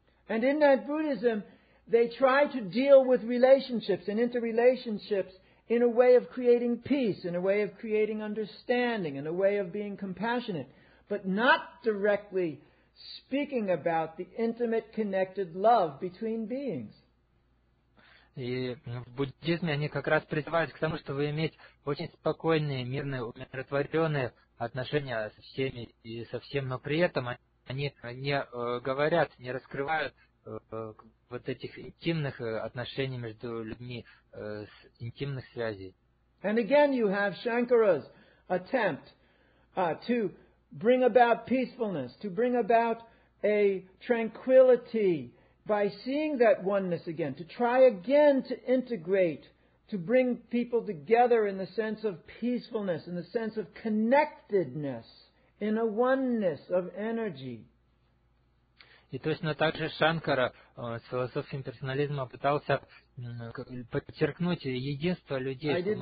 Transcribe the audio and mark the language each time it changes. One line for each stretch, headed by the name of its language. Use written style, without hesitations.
English: And in that Buddhism, they try to deal with relationships and interrelationships in a way of creating peace, in a way of creating understanding, in a way of being compassionate, but not directly speaking about the intimate connected love between beings.
Russian: И в буддизме они как раз призывают к тому, чтобы иметь очень спокойные, мирные, умиротворенные отношения со всеми и со всем, но при этом они не говорят, не раскрывают вот этих интимных отношений между людьми, интимных связей.
English: And again you have Shankara's attempt to bring about peacefulness, to bring about a tranquility by seeing that oneness again, to try again to integrate, to bring people together in the sense of peacefulness, in the sense of connectedness. In a oneness of energy.
Russian: И точно так же Шанкара с философией персонализма пытался подчеркнуть единство людей,